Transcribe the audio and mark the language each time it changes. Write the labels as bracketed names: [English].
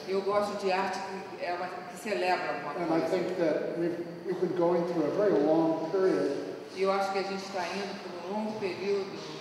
[Portuguese] Eu gosto de arte que celebra alguma coisa. [English] And I think that we've been going through a very long period. [Portuguese] Eu acho que a gente está indo por um longo período